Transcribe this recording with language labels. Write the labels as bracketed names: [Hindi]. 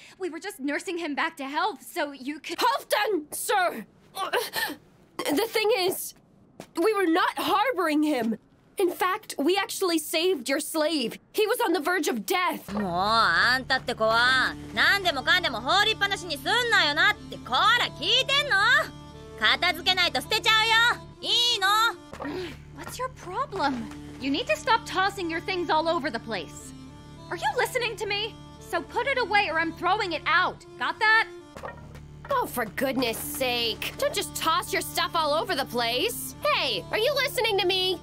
[English] We were just nursing him back to health so you could— Halfdan, sir! The thing is, we were not harboring him. In fact, we actually saved your slave. He was on the verge of death. [Japanese] もう、あんたって子は何でもかんでも放りっぱなしにすんなよなって、こら聞いてんの?片付けないと捨てちゃうよ。いいの? [English] What's your problem? You need to stop tossing your things all over the place. Are you listening to me? So put it away or I'm throwing it out. Got that? Oh, for goodness sake. Don't just toss your stuff all over the place. Hey, are you listening to me?